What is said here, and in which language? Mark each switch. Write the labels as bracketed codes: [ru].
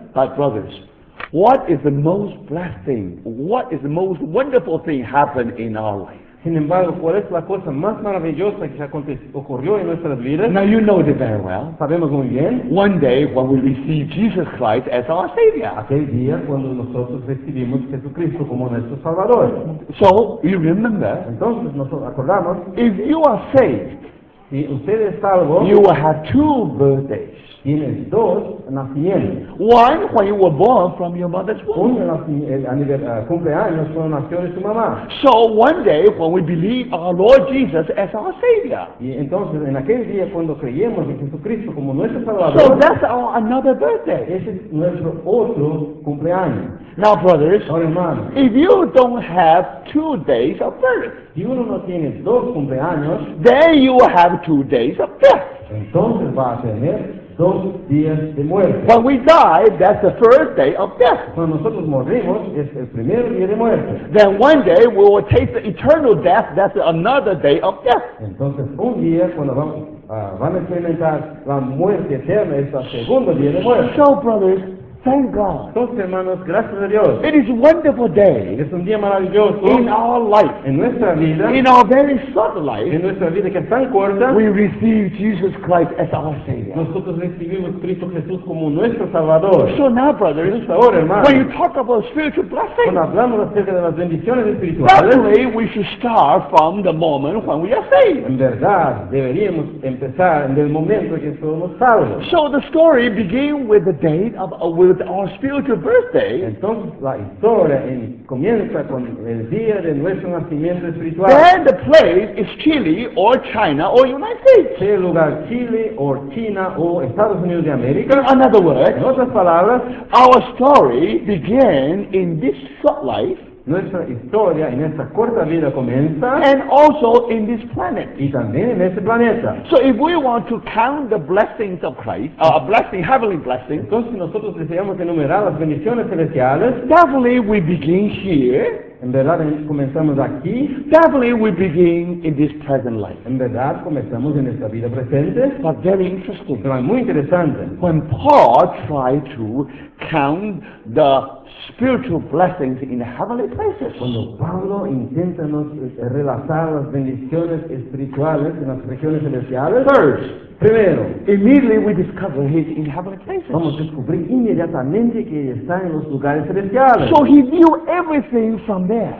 [en] But brothers, what is the most blessed thing? What is the most wonderful thing happened in our life? [es] Sin embargo, ¿cuál es la cosa más maravillosa que ocurrió en nuestras vidas? [en] Now you know it very well. [es] Sabemos muy bien. [en] One day when we receive Jesus Christ as our Savior. [es] Aquel día cuando nosotros recibimos Jesucristo como nuestro Salvador. [en] So you remember? [es] Entonces nosotros acordamos. [en] If you are saved, [es] si usted es salvo, [en] you will have two birthdays. [es] Tienes dos nacimientos. [en] One when you were born from your mother's womb. [es] Un cumpleaños cuando nació de su mamá. [en] So one day when we believe our Lord Jesus as our Savior. [es] Y entonces en aquel día cuando creemos en Jesucristo como nuestro Salvador. [en] So that's our another birthday. [es] Ese es nuestro otro cumpleaños. [en] Now brothers, [es] ahora, hermanos, [en] if you don't have two days of birth, [es] si uno no tiene dos cumpleaños, [en] then you will have two days of death. [es] Entonces va a tener dos días de muerte. [en] When we die, that's the first day of death. [es] Cuando nosotros morimos, es el primer día de muerte. [en] Then one day we will taste the eternal death, that's another day of death. [es] Entonces un día cuando van a experimentar la muerte eterna, es el segundo día de muerte. [en] So brothers, thank God. [es] Entonces, hermanos, gracias a Dios. [en] It is a wonderful day. [es] Es un día maravilloso. [en] In our life. [es] En nuestra vida. [en] In our very short life. [es] En nuestra vida que es tan corta. [en] We receive Jesus Christ as our Savior. [es] Nosotros recibimos Cristo Jesús como nuestro Salvador. [en] So now, brother. [es] Entonces ahora, hermano. [en] When you talk about spiritual blessings. [es] Cuando hablamos acerca de las bendiciones espirituales. [en] That way we should start from the moment when we are saved. [es] En verdad, deberíamos empezar en el momento que somos salvos. [en] So the story begins with the date of a will. With our spiritual birthday. [es] Entonces la historia comienza con el día de nuestro nacimiento espiritual. [en] Then the place is Chile or China or United States. [es] El lugar Chile o China o Estados Unidos de América. [en] In other words, [es] en otras palabras, [en] our story began in this short life. [es] Nuestra historia en esta corta vida comienza. [en] And also in this planet. [es] Y también en este planeta. [en] So if we want to count the blessings of Christ, a blessing, heavenly blessing. [es] Entonces si nosotros deseamos enumerar las bendiciones celestiales. [en] Definitely we begin here. [es] En verdad comenzamos aquí. [en] Definitely we begin in this present life. [es] En verdad comenzamos en esta vida presente. [en] But very interesting. [es] Pero muy interesante. [en] When Paul tried to count the spiritual blessings in heavenly places. [es] Cuando Pablo intenta nos relatar las bendiciones espirituales en las regiones celestiales. [en] First, [es] primero, [en] immediately we discover he's in heavenly places. [es] Vamos a descubrir inmediatamente que está en los lugares celestiales. [en] So he knew everything from there.